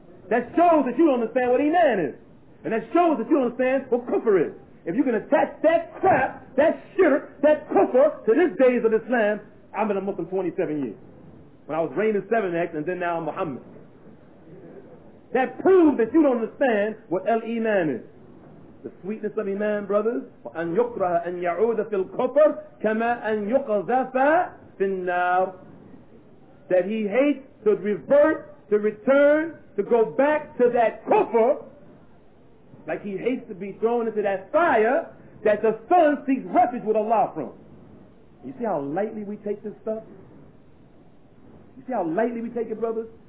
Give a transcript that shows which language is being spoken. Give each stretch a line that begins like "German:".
English: That shows that you don't understand what Iman is. And that shows that you don't understand what kufr is. If you can attach that crap, that shirk, that kufr to this days of Islam, I've been a Muslim 27 years. When I was reigning 7X and then now I'm Muhammad. That proves that you don't understand what El Iman is. the sweetness of iman, brothers,
Arabic: أن يكره أن يعود في الكفر كما أن يقذف في النار.
English: That he hates to revert, to return, to go back to that kufr, like he hates to be thrown into that fire that the son seeks refuge with Allah from. You see how lightly we take this stuff? You see how lightly we take it, brothers?